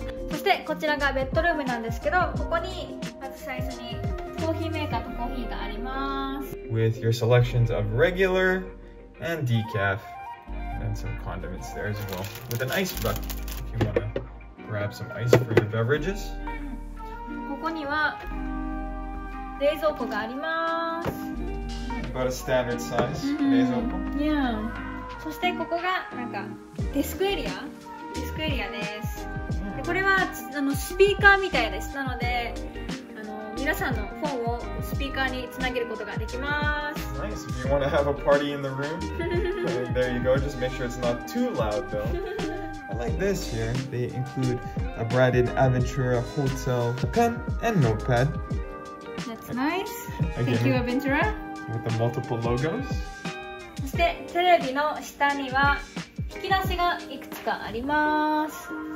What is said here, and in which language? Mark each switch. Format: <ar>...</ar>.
<ja>そしてこちらがベッドルームなんですけど、ここにまず最初に。</ja> <en>With your selections of regular and decaf, and some condiments there as well. With an ice bucket, if you want to grab some ice for your beverages.</en> <ja>ここには冷蔵庫があります。</ja> <en>About a standard size 冷蔵庫。</en> <ja>Yeah. そしてここがなんかデスクエリア、デスクエリアです。でこれはあのスピーカーみたいです。なので。皆さんのフォンをスピーカーにつなげることができます。</ja> <en>Nice. If you want to have a party in the room, there you go. Just make sure it's not too loud, though. I like this here. They include a branded Aventura Hotel pen and notepad. That's nice. Thank Again, you, Aventura. With the multiple logos.</en> <ja>そしてテレビの下には引き出しがいくつかあります。</ja>